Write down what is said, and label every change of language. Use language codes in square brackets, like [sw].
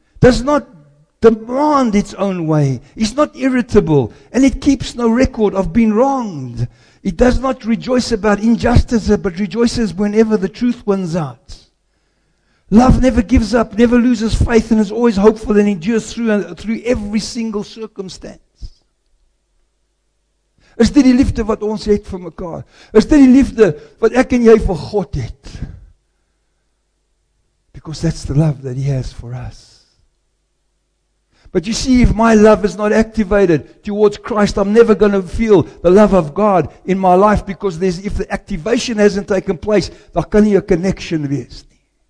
[en] Does not demand its own way. It's not irritable and it keeps no record of being wronged. It does not rejoice about injustice but rejoices whenever the truth wins out. Love never gives up, never loses faith and is always hopeful and endures through every single circumstance. [af] Is dit die liefde wat ons het vir mekaar? Is dit die liefde wat ek en jy vir God het? [en] Because that's the love that He has for us. But you see, if my love is not activated towards Christ, I'm never going to feel the love of God in my life because if the activation hasn't taken place, [af] daar kan nie 'n connection wees nie.